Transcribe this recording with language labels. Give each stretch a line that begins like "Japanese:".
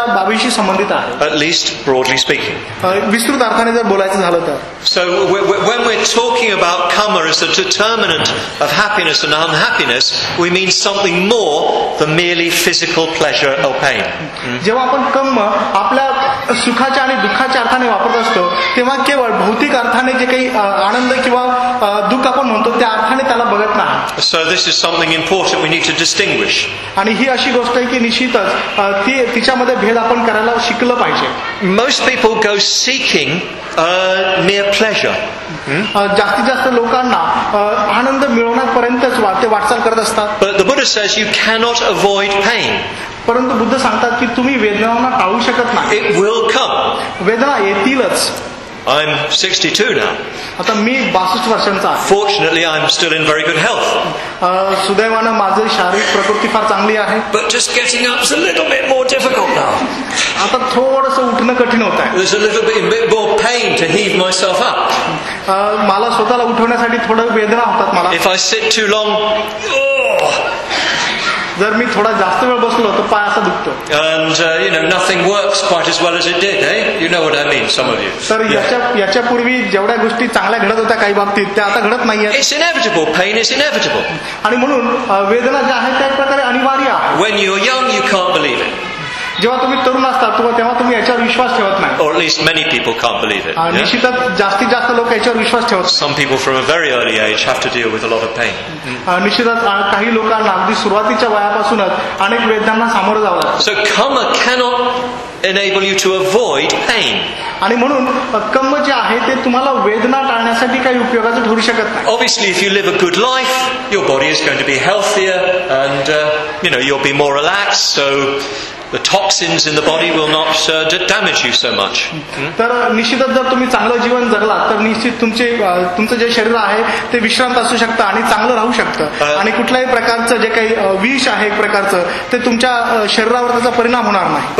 English: At least, broadly speaking. So, when we're talking about karma as the determinant of happiness and unhappiness, we mean something more than merely physical pleasure or pain.
Marathi: जेव्हा आपण कर्म आपल्या सुखाच्या आणि दुःखाच्या अर्थाने वापरत असतो तेव्हा केवळ भौतिक अर्थाने जे काही आनंद किंवा दुःख आपण म्हणतो त्या अर्थाने त्याला बघत नाही.
English: So this is something important we need to distinguish.
Marathi: आणि ही अशी गोष्ट आहे की निश्चितच तिच्यामध्ये भेद आपण करायला शिकलं पाहिजे.
English: Most people go seeking mere pleasure.
Marathi: जास्तीत जास्त लोकांना आनंद मिळवण्यापर्यंतच ते वाटचाल करत असतात.
English: But the Buddha says you cannot avoid pain.
Marathi: परंतु बुद्ध सांगतात की तुम्ही वेदनांना टाळू शकत नाही.
English: It will come.
Marathi: वेदना येतीलच.
English: I'm 62 now.
Marathi: आता मी 62 वर्षांचा आहे.
English: Fortunately, I'm still in very good health.
Marathi: सुदैवाने माझे शारीरिक प्रकृती फार चांगली आहे.
English: But just getting up is a little bit more difficult now.
Marathi: आता थोडंसं उठणं कठीण होत आहे.
English: There's a little bit more pain to heave myself up.
Marathi: मला स्वतःला उठवण्यासाठी थोडं वेदना होतात मला.
English: If I sit too long.
Marathi: जर मी थोडा जास्त वेळ बसलो तर पाय असा दुखतो.
English: And nothing works quite as well as it did, eh? You know what I mean, some of you.
Marathi: Sir याच्या पूर्वी जेवढ्या गोष्टी चांगल्या घडत होत्या काही बाबतीत त्या आता घडत नाहीये.
English: It's inevitable. Pain is inevitable.
Marathi: आणि म्हणून वेदना ज्या आहेत त्या प्रकारे अनिवार्य आहे.
English: When you're young, you can't believe it.
Marathi: जेव्हा तुम्ही तरुण असता तेव्हा तुम्ही याच्यावर विश्वास ठेवत नाही.
English: Or at least many people can't believe it.
Marathi: निश्चितच जास्तीत जास्त लोक याच्यावर विश्वास ठेवत नाही.
English: Some people from a very early age have to deal with a lot of pain.
Marathi: निश्चितच काही लोकांना अगदी सुरुवातीच्या वयापासूनच अनेक वेदनांना सामोरं जावं लागतं.
English: So karma cannot enable you to avoid pain.
Marathi: आणि म्हणून कर्म जे आहे ते तुम्हाला वेदना टाळण्यासाठी काही उपयोगाचं ठरू शकत नाही.
English: Obviously, if you live a good life, your body is going to be healthier and you'll be more relaxed, so the toxins in the body will not damage you so much.
Marathi: तर निश्चितच जर तुम्ही चांगलं जीवन जगलात तर निश्चित तुमचं जे शरीर आहे ते विश्रांत असू शकतं आणि चांगलं राहू शकतं आणि कुठल्याही प्रकारचं जे काही विष आहे एक प्रकारचं ते तुमच्या शरीरावर त्याचा परिणाम होणार नाही.